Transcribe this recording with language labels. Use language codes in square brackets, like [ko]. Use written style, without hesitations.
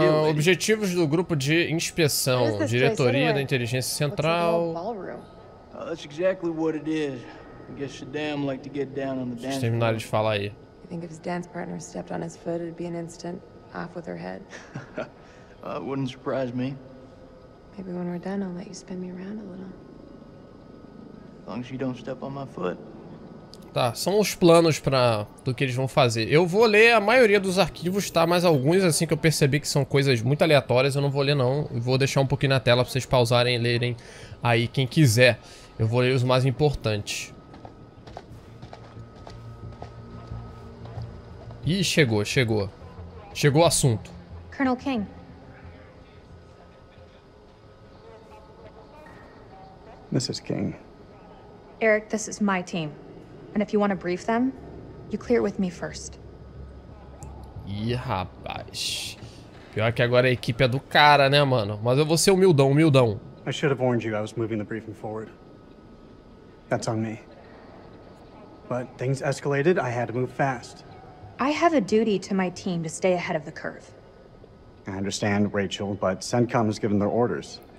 [pt] Objetivos do grupo de inspeção. Diretoria da Inteligência Central. [en] That's exactly what it is. I guess Shaddam like to get down on the dance. [pt] Terminar de falar aí. [en] I think if his dance partner stepped on his foot, it'd be an instant off with her head. It wouldn't surprise me. Maybe when we're done, I'll let you spin me around a little. As long as you don't step on my foot. [pt] Tá, são os planos pra, do que eles vão fazer. Eu vou ler a maioria dos arquivos, tá? Mas alguns, assim, que eu percebi que são coisas muito aleatórias, eu não vou ler, não. Vou deixar um pouquinho na tela pra vocês pausarem e lerem aí, quem quiser. Eu vou ler os mais importantes. Ih, chegou, chegou. Chegou o assunto. [en] Colonel King. Mrs. King. Eric, this is my team. And if you want to brief them, you clear with me first. [pt] Ih, rapaz. Pior que agora a equipe é do cara, né, mano? Mas eu vou ser humildão, humildão. [en] I should have warned you I was moving the briefing forward. That's on me. But things escalated, I had to move fast. I have a duty to my team to stay ahead of the curve. I understand, Rachel, but CENTCOM has given their orders.